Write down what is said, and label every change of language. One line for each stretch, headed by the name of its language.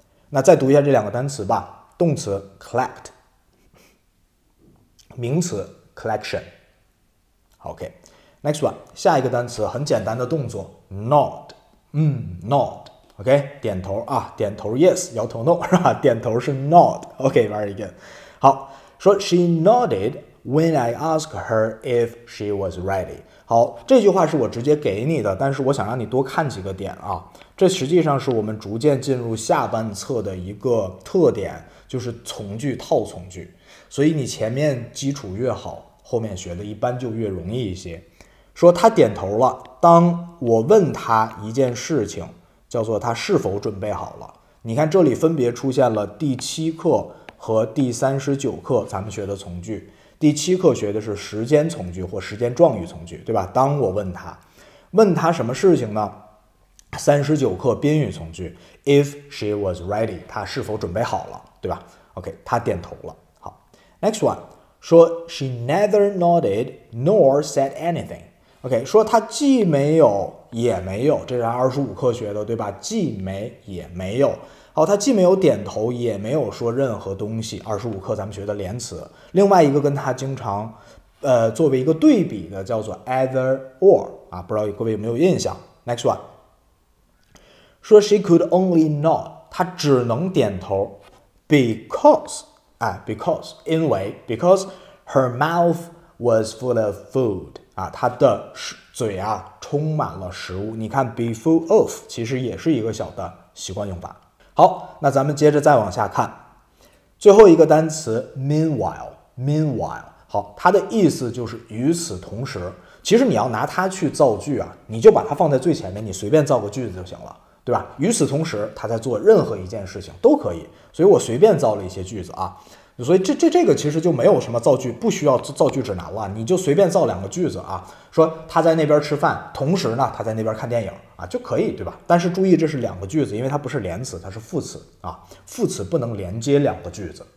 Chinese: 那再读一下这两个单词吧。动词 collect， 名词 collection。 OK， next one， 下一个单词很简单的动作 nod， nod。 OK， 点头啊，点头 yes， 摇头 no， 是吧，点头是 nod。
English: OK， very good。好，说 she nodded when I asked her if she was ready。
Chinese: 好，这句话是我直接给你的，但是我想让你多看几个点啊，这实际上是我们逐渐进入下半册的一个特点，就是从句套从句，所以你前面基础越好，后面学的一般就越容易一些。说她点头了，当我问她一件事情叫做他是否准备好了。你看这里分别出现了第七课和第39课咱们学的从句，第七课学的是时间从句或时间状语从句，对吧，当我问他，问他什么事情呢，39课宾语从句
English: if she was ready，
Chinese: 他是否准备好了，对吧， OK， 他点头了。
English: 好， next one， 说 she neither nodded nor said anything。
Chinese: OK， 说他既没有也没有，这是25课学的，对吧，既没也没有。好，他既没有点头也没有说任何东西，25课咱们学的连词。另外一个跟他经常作为一个对比的叫做 either or 啊，不知道各位有没有印象。
English: next one， 说 she could only nod，
Chinese: 他只能点头，
English: because her mouth was full of food 啊，
Chinese: 他的嘴啊充满了食物。你看 be full of 其实也是一个小的习惯用法。好，那咱们接着再往下看最后一个单词 meanwhile。好，它的意思就是与此同时，其实你要拿它去造句啊，你就把它放在最前面，你随便造个句子就行了，对吧，与此同时它在做任何一件事情都可以，所以我随便造了一些句子啊，所以这个其实就没有什么造句，不需要造句指南了，你就随便造两个句子啊，说他在那边吃饭，同时呢他在那边看电影啊，就可以，对吧，但是注意这是两个句子，因为它不是连词，它是副词啊，副词不能连接两个句子。